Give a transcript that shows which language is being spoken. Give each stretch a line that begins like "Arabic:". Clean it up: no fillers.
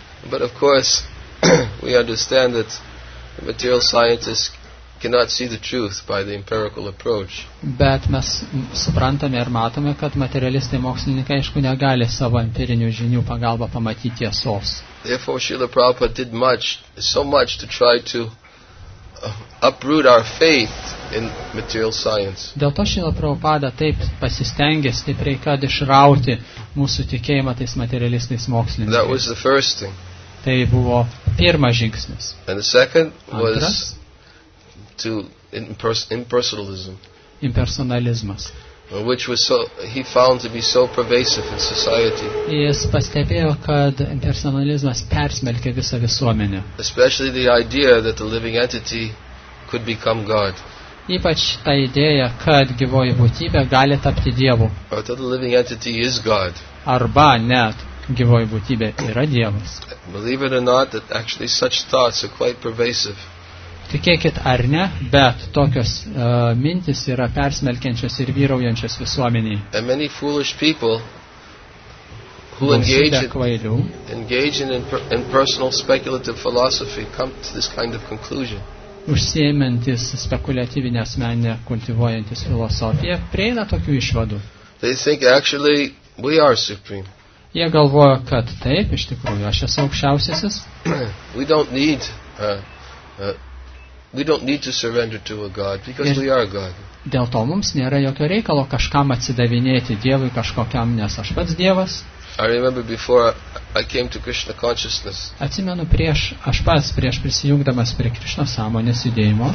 English: But of course, we understand that material scientists cannot see the truth by the empirical approach.
Lithuanian: Bet mes suprantame ir matome, kad materialistai mokslininkai aišku negali savo empirinių žinių pagalba pamatyti tiesos.
English: Therefore, Srila Prabhupada did much, so much to try to uproot our faith in material science.
Lithuanian: Dėl to Srila Prabhupada taip pasistengė stipriai, kad išrauti mūsų tikėjimą tais materialistais mokslininkais.
English: That was the first thing.
Lithuanian: Tai buvo pirmas žingsnis.
English: And the second was to impersonalism.
Lithuanian: Impersonalizmas.
English: Which was so, he found to be so pervasive in society.
Lithuanian: Jis pastebėjo, kad impersonalizmas persmelkė visą visuomenę.
English: Especially the idea that the living entity could become God.
Lithuanian: Ypač ta idėja, kad gyvoji būtybė gali tapti Dievu.
English: Or that the living entity is God.
Lithuanian: Arba net gyvoji būtybė yra Dievas.
English: Believe it or not, that actually such thoughts are quite pervasive.
Lithuanian: Tikėkit ar ne, bet tokios mintys yra persmelkiančios ir vyraujančios visuomeniai.
English: And many foolish people who engage in impersonal speculative philosophy come to this kind of conclusion.
Lithuanian: Užsiėmantis spekuliatyvinę asmenę kultivuojantis filosofiją prieina tokių išvadų.
English: They think actually we are supreme.
Lithuanian: Jie galvoja, kad taip, iš tikrųjų, aš esu aukščiausiasis.
English: We don't need to surrender to a god because we are god.
Lithuanian: Dėl to mums nėra jokio reikalo kažkam atsidavinėti Dievui kažkokiam, nes aš pats Dievas.
English: I remember before I came to Krishna consciousness.
Lithuanian: Atsimenu prieš aš pats prieš prisijungdamas prie Krishna sąmonės judėjimo.